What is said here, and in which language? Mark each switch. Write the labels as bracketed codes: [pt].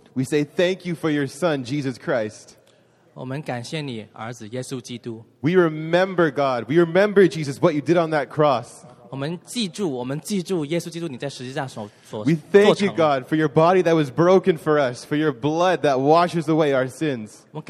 [en] we say thank you for your Son, Jesus Christ. [zh] 我们感谢你儿子耶稣基督。 [en] We remember, God. We remember, Jesus, what you did on that cross. [zh] 我们记住耶稣基督你在十字架上所做成的。 [en] We thank you, God, for your body that was broken for us, for your blood that washes away our sins.